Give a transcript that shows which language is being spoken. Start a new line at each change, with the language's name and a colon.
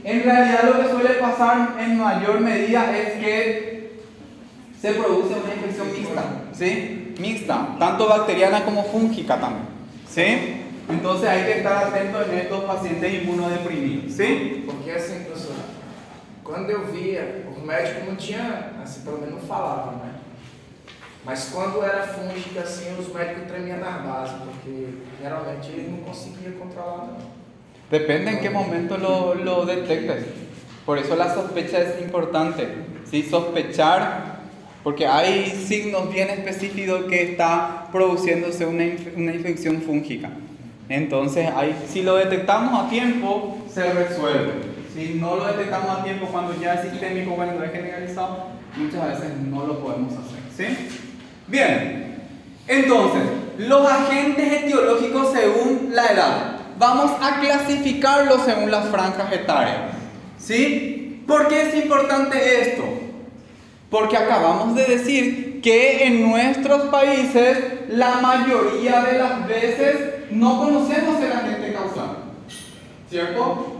Spanish: En realidad lo que suele pasar en mayor medida es que se produce una infección mixta, ¿sí? Mixta, tanto bacteriana como fúngica también. ¿Sí? Entonces hay que estar atento en estos pacientes inmunodeprimidos. ¿Sí? Porque así, profesor, cuando yo vi, los médicos no tenían, así por lo menos falaban, ¿no?
Portuguese: Mas quando era fúngica, assim, os médicos tremiam nas bases, porque geralmente eles não conseguiam controlar, não.
Spanish: Depende em que momento lo detectes.
Portuguese: Por isso a
Spanish: sospecha
Portuguese: é importante. Sim,
Spanish: sospechar,
Portuguese: porque há signos bem específicos que está produzindo-se uma infecção fúngica. Então,
Spanish: se lo detectamos
Portuguese: a tempo,
Spanish: se resuelve.
Portuguese: Se não
Spanish: lo detectamos
Portuguese: a tempo, quando já é sistêmico, quando é generalizado, muitas vezes não
Spanish: lo podemos
Portuguese: fazer. Sim?
Spanish: Bien, entonces, los agentes etiológicos según la edad. Vamos a clasificarlos según las franjas etarias. ¿Sí? ¿Por qué es importante esto? Porque acabamos de decir que en nuestros países la mayoría de las veces no conocemos el agente causal. ¿Cierto?